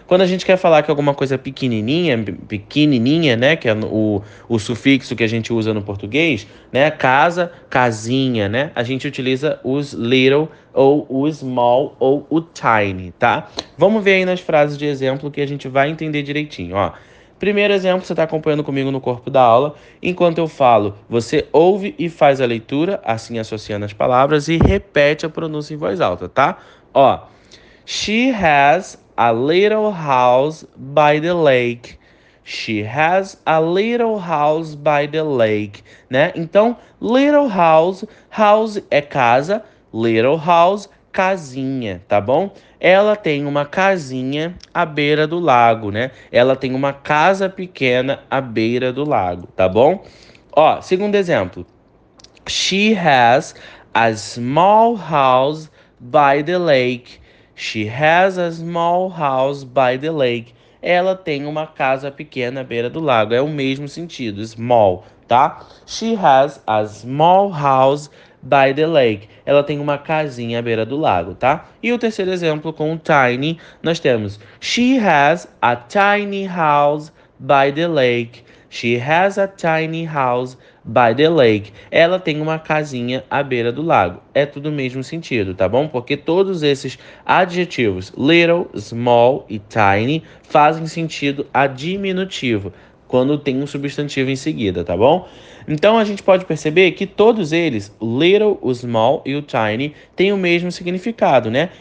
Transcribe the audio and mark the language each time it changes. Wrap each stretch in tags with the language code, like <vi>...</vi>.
<pt>Quando a gente quer falar que alguma coisa é pequenininha, pequenininha, né, que é o sufixo que a gente usa no português, né, casa, casinha, né, a gente utiliza os little ou o small ou o tiny, tá? Vamos ver aí nas frases de exemplo que a gente vai entender direitinho, ó. Primeiro exemplo, você está acompanhando comigo no corpo da aula. Enquanto eu falo, você ouve e faz a leitura, assim associando as palavras, e repete a pronúncia em voz alta, tá?</pt> <en>Ó, she has a little house by the lake. She has a little house by the lake, né?</en> <pt>Então, little house, house é casa, little house, casinha, tá bom? Ela tem uma casinha à beira do lago, né? Ela tem uma casa pequena à beira do lago, tá bom? Ó, segundo exemplo.</pt> <en>She has a small house by the lake. She has a small house by the lake.</en> <pt>Ela tem uma casa pequena à beira do lago. É o mesmo sentido, small, tá?</pt> <en>She has a small house by the lake.</en> <pt>Ela tem uma casinha à beira do lago, tá? E o terceiro exemplo com o tiny, nós temos</pt> <en>She has a tiny house by the lake. She has a tiny house by the lake.</en> <pt>Ela tem uma casinha à beira do lago. É tudo o mesmo sentido, tá bom? Porque todos esses adjetivos, little, small e tiny, fazem sentido a diminutivo quando tem um substantivo em seguida, tá bom? Então a gente pode perceber que todos eles, o little, o small e o tiny, têm o mesmo significado, né?</pt>